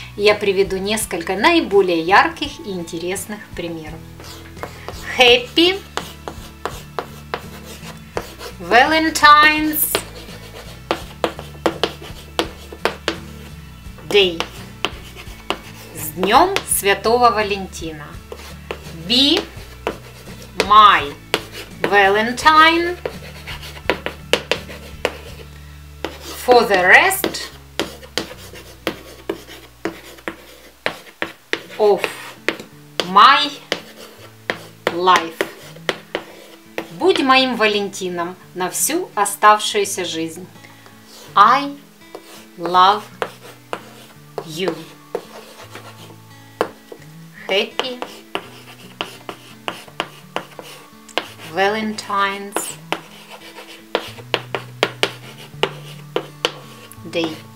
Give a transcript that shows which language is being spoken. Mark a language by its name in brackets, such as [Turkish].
[Russian] Я приведу несколько наиболее ярких и интересных примеров. [English] Happy Valentine's Day. [Russian] С днем Святого Валентина. [English] Be my Valentine for the rest of my life. [Russian] Будь моим Валентином на всю оставшуюся жизнь. [English] I love you. Happy Valentine's Day.